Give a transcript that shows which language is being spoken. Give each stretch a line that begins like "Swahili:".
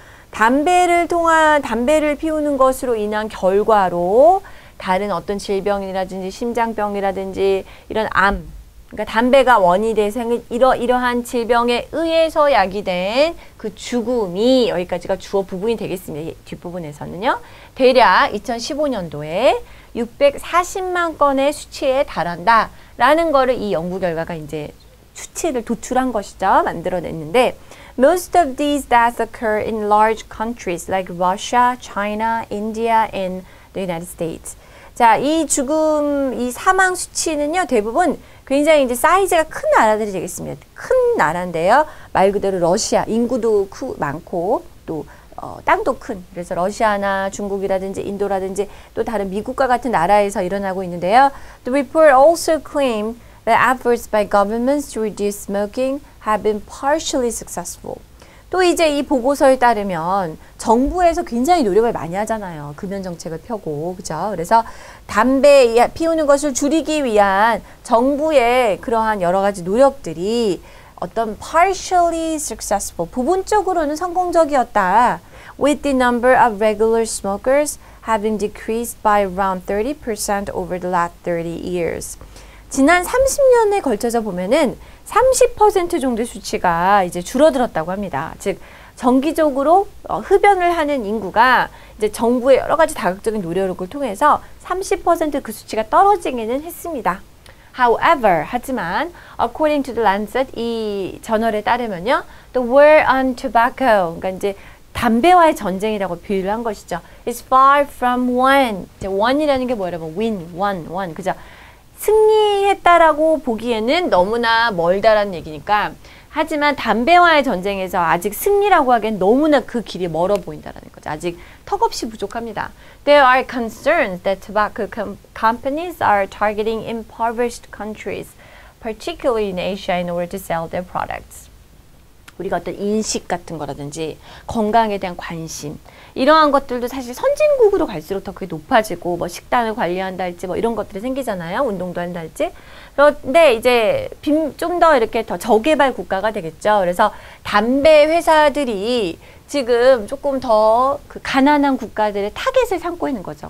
Korean: 담배를 피우는 것으로 인한 결과로 다른 어떤 질병이라든지 심장병이라든지 이런 암, 그러니까 담배가 원인이 돼서 이러한 질병에 의해서 야기된 그 죽음이, 여기까지가 주어 부분이 되겠습니다. 뒷부분에서는요. 대략 2015년도에 640만 건의 수치에 달한다 라는 거를 이 연구 결과가 이제 수치를 도출한 것이죠. 만들어냈는데
English: Most of these deaths occur in large countries like Russia, China, India and the United States.
Korean: 자, 이 사망 수치는요, 대부분 굉장히 이제 사이즈가 큰 나라들이 되겠습니다. 큰 나라인데요. 말 그대로 러시아, 인구도 많고 또 땅도 큰, 그래서 러시아나 중국이라든지 인도라든지 또 다른 미국과 같은 나라에서 일어나고 있는데요.
English: The report also claimed that efforts by governments to reduce smoking have been partially successful.
Korean: 또 이제 이 보고서에 따르면 정부에서 굉장히 노력을 많이 하잖아요. 금연 정책을 펴고, 그죠? 그래서 담배 피우는 것을 줄이기 위한 정부의 그러한 여러 가지 노력들이 어떤
English: partially successful,
Korean: 부분적으로는 성공적이었다.
English: With the number of regular smokers having decreased by around 30% over the last 30 years.
Korean: 지난 30년에 걸쳐서 보면은 30% 정도 수치가 이제 줄어들었다고 합니다. 즉, 정기적으로 흡연을 하는 인구가 이제 정부의 여러 가지 다각적인 노력을 통해서 30% 그 수치가 떨어지기는 했습니다.
English: However,
Korean: 하지만,
English: according to the Lancet,
Korean: 이 저널에 따르면요,
English: the war on tobacco,
Korean: 그러니까 이제 담배와의 전쟁이라고 비유를 한 것이죠.
English: is far from won.
Korean: 이제 won이라는 게 뭐예요?
English: win, won,
Korean: 그죠? 승리했다라고 보기에는 너무나 멀다라는 얘기니까, 하지만 담배와의 전쟁에서 아직 승리라고 하기엔 너무나 그 길이 멀어 보인다라는 거죠. 아직 턱없이 부족합니다.
English: There are concerns that tobacco companies are targeting impoverished countries, particularly in Asia, in order to sell their products.
Korean: 우리가 어떤 인식 같은 거라든지 건강에 대한 관심, 이러한 것들도 사실 선진국으로 갈수록 더 그게 높아지고, 뭐 식단을 관리한다 할지 뭐 이런 것들이 생기잖아요. 운동도 한다 할지. 그런데 이제 좀 더 이렇게 더 저개발 국가가 되겠죠. 그래서 담배 회사들이 지금 조금 더 그 가난한 국가들의 타겟을 삼고 있는 거죠.